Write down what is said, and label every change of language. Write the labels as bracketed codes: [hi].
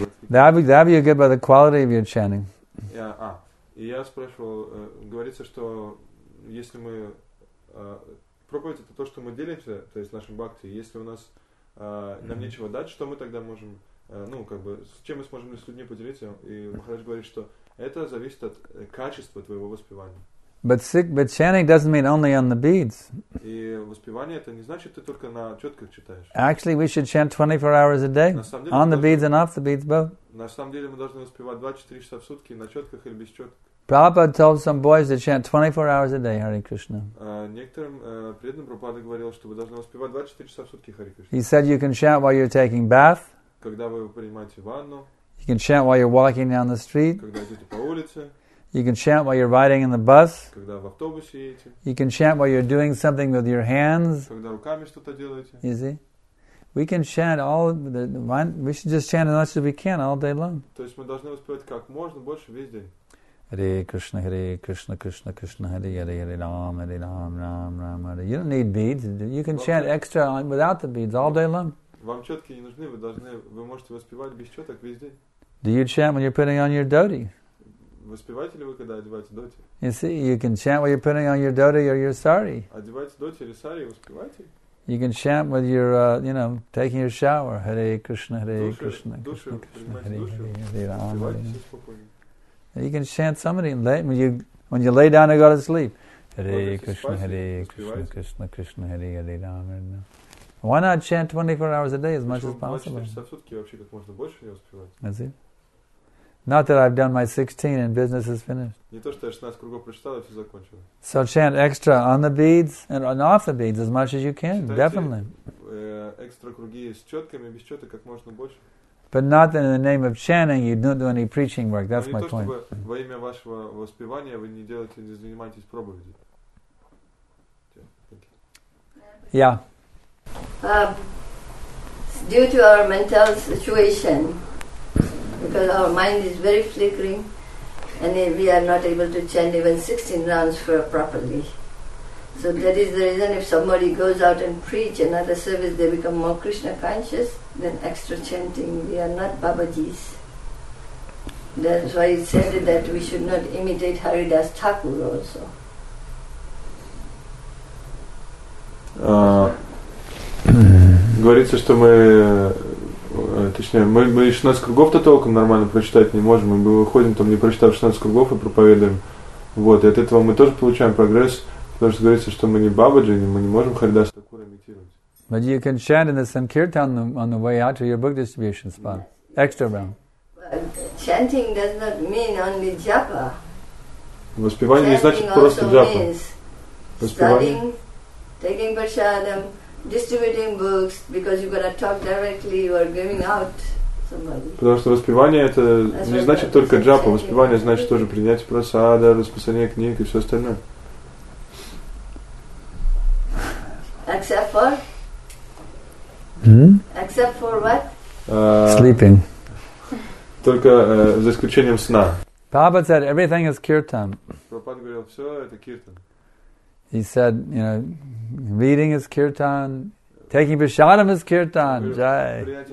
[en] That would be good by the quality of your chanting. [ru] Yeah, и я спрашивал, говорится, что если мы... проповедь — это то, что мы делимся, то есть нашим бхакти. Если у нас нам нечего дать, что мы тогда можем... ну, как бы, с чем мы сможем с людьми поделиться? И Махарадж говорит, что это зависит от качества твоего воспевания. [en] But chanting doesn't mean only on the beads. [ru] И воспевание — это не значит, ты только на четках читаешь. [en] Actually, we should chant 24 hours a day. On the beads and off the beads both. [ru] На самом деле мы должны воспевать 24 часа в сутки на четках или без четок. [en] Prabhupada told some boys to chant 24 hours a day Hare Krishna. [ru] Некоторым преданным Прабхупада говорил, что вы должны воспевать 24 часа в сутки Hare Krishna. [en] He said you can chant while you're taking bath. [ru] Когда вы принимаете ванну. [en] You can chant while you're walking down the street. [ru] Когда идете по улице. [en] You can chant while you're riding in the bus. [ru] Когда в автобусе едете. [en] You can chant while you're doing something with your hands. [ru] Когда руками что-то делаете. [en] Easy. We can chant all the one. We should just chant as much as we can all day long. [ru] То есть мы должны воспевать как можно больше весь день. [sa] Hare Krishna, Hare Krishna, Krishna Krishna, Hare Hare, Hare Rama, Hare Rama, Rama Rama. [en] You don't need beads. You can chant extra without the beads all day long. [ru] Вам четки не нужны. Вы можете воспевать без четок весь день. [en] Do you chant when you're putting on your dhoti? [ru] Воспеваете ли вы, когда одеваете доти? [en] You see, you can chant while you're putting on your dhoti or your sari. [ru] Одеваете доти или сари, воспеваете? [en] You can chant while you're, you know, taking your shower. [sa] Hare Krishna, Hare [ru] душу, [sa] Krishna, [ru] душу, [sa] Krishna, Krishna, Hare Hare, Hare Rama. [en] You can chant somebody when you lay down and go to sleep. [sa] Hare Krishna, Hare Krishna, Krishna, Krishna, Hare Hare Rama. [en] Why not chant 24 hours a day as much as possible? [ru] Почему 24 часа в сутки вообще как можно больше не воспевать? [en] That's it. Not that I've done my 16 and business is finished. [ru] Не то, что я 16 кругов прочитал и все закончил. [en] So chant extra on the beads and off the beads as much as you can, [ru] читайте, [en] definitely. [ru] Экстра круги с четками, без четок как можно больше. [en] But not that in the name of chanting you don't do any preaching work. That's my point. [ru] Не то, чтобы во имя вашего воспевания вы не делаете, не занимаетесь проповедью. [en] Yeah. Due to our mental situation, because our mind is very flickering, and we are not able to chant even 16 rounds for properly. So that is the reason if somebody goes out and preach another service, they become more Krishna conscious than extra chanting. We are not Babajis. That's why it said that we should not imitate Haridas Thakur also. [ru] Говорится, что мы, точнее, мы 16 кругов-то толком нормально прочитать не можем, мы выходим там, не прочитав 16 кругов, и проповедуем. Вот, и от этого мы тоже получаем прогресс, потому что говорится, что мы не бабаджи, мы не можем Харидаса Такура имитировать. [en] But you can chant in the Sankirtan on the way out to your book distribution spot. Yes. Extra round. Chanting does not mean only japa. [ru] Воспевание не значит просто джапа. Воспевание. [en] Taking prasadam, distributing books, because you're going to talk directly, you are giving out somebody. [ru] Потому что воспевание это that's не значит только джапа, воспевание значит тоже принять прасада, расписание книг и все остальное. [en] Except for? Except for what? Sleeping. [ru] Только за исключением сна. [en] Prabhupada said everything is kirtan. [ru] Prabhupada говорил, все это kirtan. [en] He said, you know, reading is kirtan, taking prasadam is kirtan, jai.